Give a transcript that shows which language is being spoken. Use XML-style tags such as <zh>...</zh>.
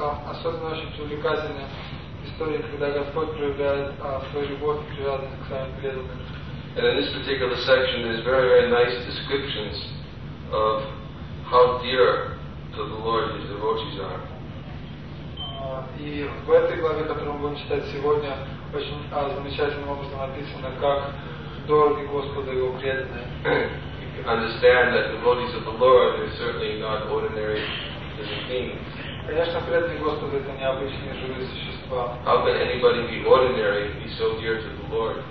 <ru>Особенно очень увлекательная история, когда Господь проявляет свою любовь и привязанность к своим преданным.</ru> <en>And in this particular section there's very, very nice descriptions of how dear to the Lord his devotees are.</en> <ru>И в этой главе, которую мы будем читать сегодня, очень замечательным образом написано, как дороги Господа его преданные.</ru> <en>Understand that the devotees of the Lord are certainly not ordinary beings. How can anybody be ordinary and be so dear to the Lord?</en>